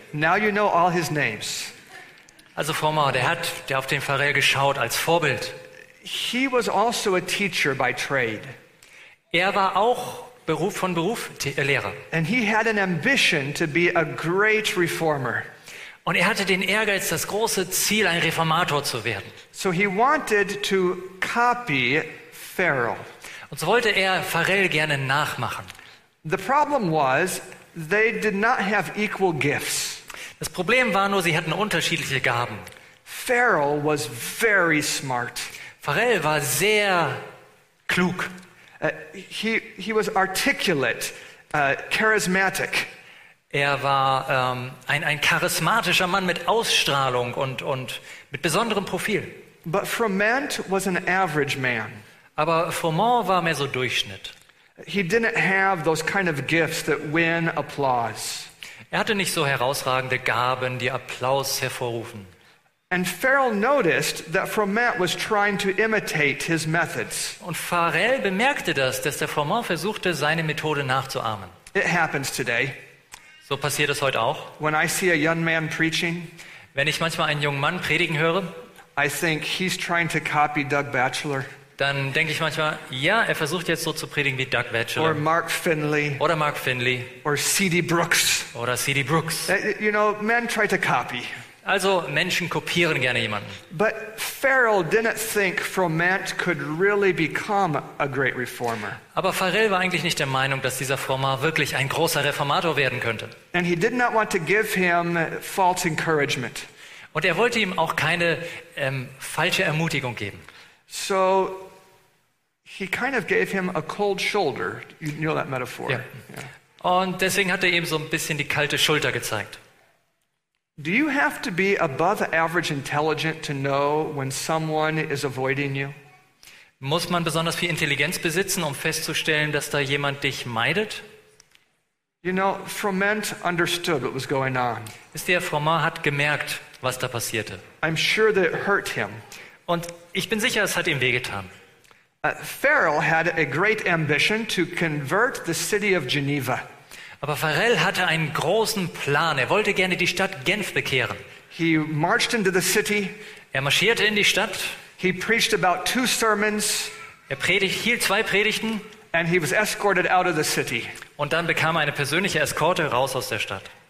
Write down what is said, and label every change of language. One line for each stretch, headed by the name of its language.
English: Now you know all his names.
German: Also Froment, der hat auf den Pharrell geschaut als Vorbild.
English: He was also a teacher by trade.
German: Er war auch Lehrer.
English: And he had an ambition to be a great reformer.
German: Und er hatte den Ehrgeiz, das große Ziel, ein Reformator zu werden.
English: So he wanted to copy Pharaoh.
German: Und so wollte er Pharrell gerne nachmachen.
English: The problem was, they did not have equal gifts.
German: Das Problem war nur, sie hatten unterschiedliche Gaben.
English: Pharaoh was very smart.
German: Pharrell war sehr klug.
English: He was articulate, charismatic.
German: Er war ein charismatischer Mann mit Ausstrahlung und mit besonderem Profil.
English: But Froment was an average man.
German: Aber Froment war mehr so Durchschnitt.
English: He didn't have those kind of gifts that win applause.
German: Er hatte nicht so herausragende Gaben, die Applaus hervorrufen.
English: And Pharaoh noticed that Froment was trying to imitate his methods.
German: Und Pharrell bemerkte das, dass der Froment versuchte, seine Methode nachzuahmen.
English: It happens today.
German: So passiert es heute auch.
English: When I see a young man preaching,
German: wenn ich manchmal einen jungen Mann predigen höre,
English: I think he's trying to copy Doug Batchelor.
German: Dann denke ich manchmal, ja, er versucht jetzt so zu predigen wie Doug Batchelor.
English: Or Mark Finley.
German: Oder Mark Finley.
English: Or C.D. Brooks.
German: Oder C.D. Brooks.
English: You know, men try to copy.
German: Also Menschen kopieren gerne jemanden.
English: But Pharaoh didn't think Froment could really become a great reformer.
German: Aber Pharrell war eigentlich nicht der Meinung, dass dieser Froment wirklich ein großer Reformator werden könnte.
English: And he did not want to give him false encouragement.
German: Und er wollte ihm auch keine falsche Ermutigung geben.
English: So he kind of gave him a cold shoulder. You know that metaphor.
German: Yeah. Yeah. Und deswegen hat er ihm so ein bisschen die kalte Schulter gezeigt.
English: Do you have to be above average intelligent to know when someone is avoiding you?
German: Muss man besonders viel Intelligenz besitzen, um festzustellen, dass da jemand dich meidet?
English: You know, Froment understood what was going on.
German: Wisst ihr, Froment hat gemerkt, was da passierte.
English: I'm sure that it hurt him.
German: Und ich bin sicher, es hat ihm wehgetan.
English: Farel had a great ambition to convert the city of Geneva.
German: Aber Farel hatte einen großen Plan. Er wollte gerne die Stadt Genf bekehren.
English: He marched into the city.
German: Er marschierte in die Stadt.
English: He preached about two sermons.
German: Er hielt zwei Predigten.
English: And he was escorted out of the city.
German: Und dann bekam er eine persönliche Eskorte raus aus der Stadt.